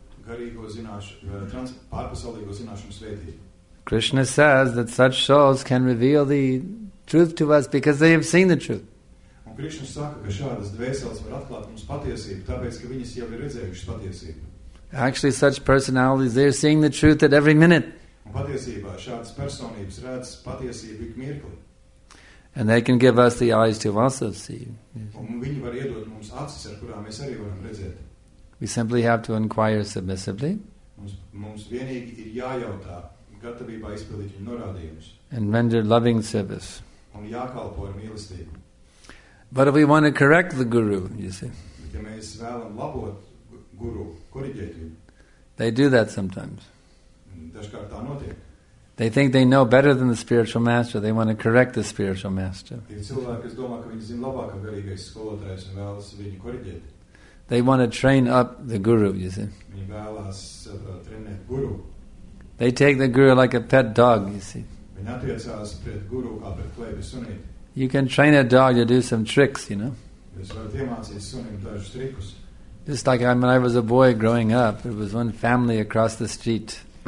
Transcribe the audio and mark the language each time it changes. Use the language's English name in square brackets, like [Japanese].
[Latvian] pārpasaulīgo zināšanu svētību. [English] Krishna says that such souls can reveal the truth to us because they have seen the truth. [Latvian] Un Krishna saka, ka šādas dvēseles var atklāt mums patiesību, tāpēc ka viņas jau ir redzējušas patiesību. [English] Actually, such personalities, they are seeing the truth at every minute. [Latvian] Un patiesībā šādas personības redz patiesību ik mirkli. [English] And they can give us the eyes to also see. [Latvian] Un viņi var iedot mums acis, ar kurām mēs arī varam redzēt. [English] We simply have to inquire submissively. [Latvian] Mums vienīgi ir jājautā, gatavībā izpildīt viņu norādījumus. [English] And render loving service. [Latvian] Un jākalpo ar mīlestību. [English] But if we want to correct the guru, you see. [Latvian] Bet, ja mēs vēlam labot guru, koriģēt viņu. [English] They do that sometimes. [Latvian] Dažkārt tā notiek. [English] They think they know better than the spiritual master. They want to correct the spiritual master. [Latvian] Ir cilvēki, kas domā, ka viņi zina labāk, ka garīgais skolotājs un vēlas viņu koriģēt. [English] They want to train up the guru, you see. [Latvian] Viņi vēlas trenēt guru. [English] They take the guru like a pet dog, you see. [Latvian] Viņi attiecās pret guru kā pret kleibi sunīti. [English] You can train a dog to do some tricks, you know. [Latvian] Jūs varat iemācīt sunim dažus trikus. [English] Just like when I was a boy growing up, there was one family across the street.